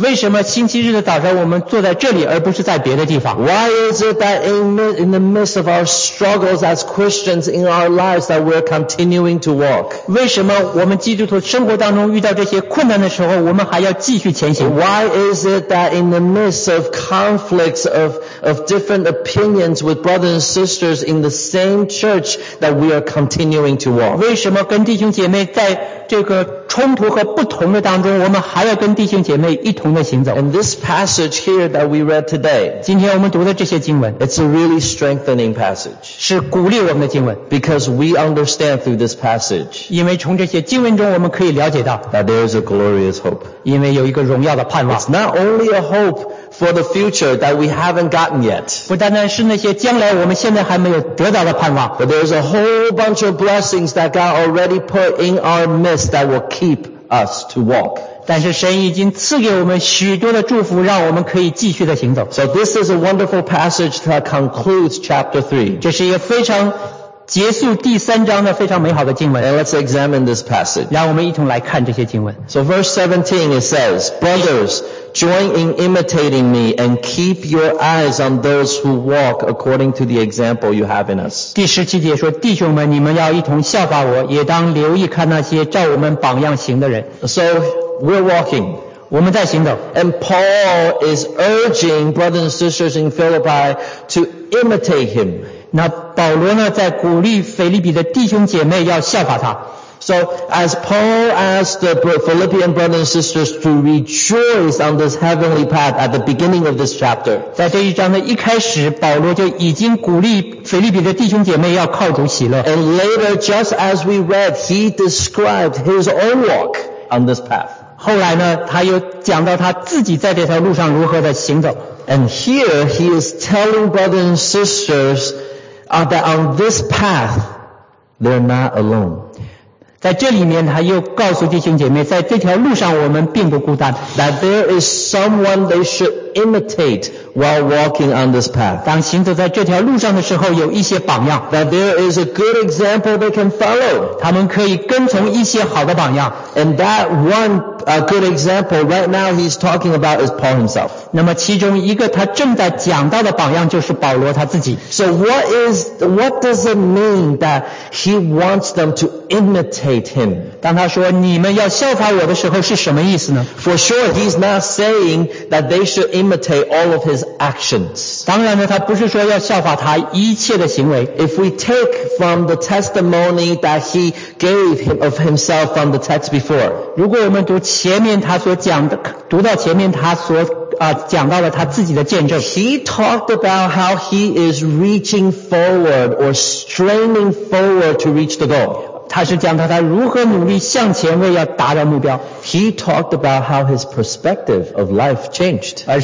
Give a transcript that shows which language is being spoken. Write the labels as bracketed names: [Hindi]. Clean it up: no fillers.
[Chinese] 为什么星期日的早上我们坐在这里而不是在别的地方 [English] Why is it that in the midst of our struggles as Christians in our lives that we're continuing to walk? [Chinese] 为什么我们基督徒生活当中遇到这些困难的时候我们还要继续前行 [English] Why is it that in the midst of conflicts of different opinions with brothers and sisters in the same church that we are continuing to walk? [Chinese] 为什么跟弟兄姐妹在这个冲突和不同的当中我们还要跟弟兄姐妹一同的行走 [English] And this passage here that we read today [Chinese] 今天我们读的这些经文 [English] It's a really strengthening passage [Chinese] 是鼓励我们的经文 [English] Because we understand through this passage [Chinese] 因为从这些经文中我们可以了解到 [English] That there is a glorious hope [Chinese] 因为有一个荣耀的盼望 [English] It's not only a hope for the future that we haven't gotten yet [Chinese] 不单单是那些将来我们现在还没有得到的盼望 [English] But there is a whole bunch of blessings that God already put in our midst that will keep us to walk [Chinese] 但是神已经赐给我们许多的祝福让我们可以继续的行走 [English] So this is a wonderful passage that concludes chapter 3 [Chinese] 这是一个非常结束第三章的非常美好的经文 [English] And let's examine this passage [Chinese] 让我们一同来看这些经文 [English] So verse 17 it says Brothers, join in imitating me and keep your eyes on those who walk according to the example you have in us [Chinese] 第十七节说弟兄们你们要一同效法我也当留意看那些照我们榜样行的人 [English] So we're walking [Chinese] 我们在行走 [English] And Paul is urging brothers and sisters in Philippi to imitate him [Chinese] 那保罗呢在鼓励腓立比的弟兄姐妹要效法他 [English] So as Paul asked the Philippian brothers and sisters to rejoice on this heavenly path at the beginning of this chapter [Chinese] 在这一章的一开始保罗就已经鼓励腓立比的弟兄姐妹要靠主喜乐 [English] And later just as we read he described his own walk on this path [Chinese] 后来呢他又讲到他自己在这条路上如何的行走 [English] And here he is telling brothers and sistersthat on this path, they're not alone. [Chinese] 在这里面他又告诉弟兄姐妹在这条路上我们并不孤单 [English] that there is someone they should imitate while walking on this path. [Chinese] 当行走在这条路上的时候有一些榜样 [English] that there is a good example they can follow. [Chinese] 他们可以跟从一些好的榜样 [English] and that one good example right now he's talking about is Paul himself. [Chinese] 那么其中一个他正在讲到的榜样就是保罗他自己 [English] So what does it mean that he wants them to imitate him? [Chinese] 当他说你们要效法我的时候是什么意思呢 [English] For sure he's not saying that they should imitate imitate all of his actions. [Chinese] 当然呢, 他不是说要效法他一切的行为。 [English] If we take from the testimony that he gave him of himself from the text before, [Chinese] 如果我们读前面他所讲的，读到前面他所讲到了他自己的见证。 [English] He talked about how he is reaching forward or straining forward to reach the goal. [Chinese] 他是讲到他如何努力向前为要达到目标。 [English] He talked about how his perspective of life changed.